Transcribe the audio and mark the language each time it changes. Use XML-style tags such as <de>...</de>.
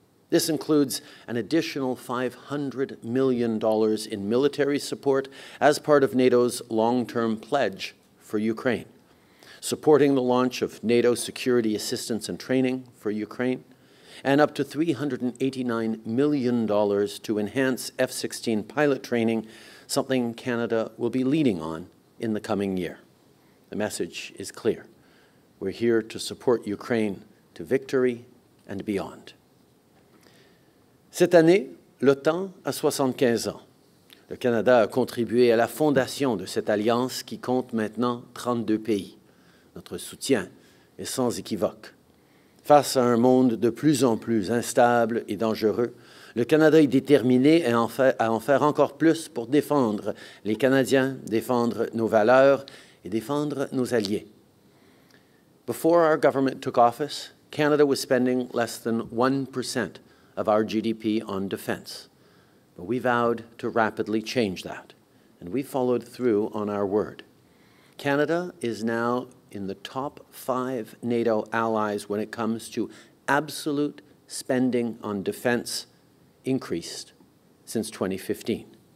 <en>This includes an additional $500 million in military support as part of NATO's long-term pledge for Ukraine, supporting the launch of NATO security assistance and training for Ukraine, and up to $389 million to enhance F-16 pilot training, something Canada will be leading on in the coming year. The message is clear. We're here to support Ukraine to victory and beyond.</en> <fr>Cette année, l'OTAN a 75 ans. Le Canada a contribué à la fondation de cette alliance qui compte maintenant 32 pays. Notre soutien est sans équivoque. Face à un monde de plus en plus instable et dangereux, le Canada est déterminé à en faire encore plus pour défendre les Canadiens, défendre nos valeurs et défendre nos alliés.</fr> <en>Before our government took office, Canada was spending less than 1% of our GDP on defense. But we vowed to rapidly change that, and we followed through on our word. Canada is now in the top five NATO allies when it comes to absolute spending on defense increased since 2015.</en>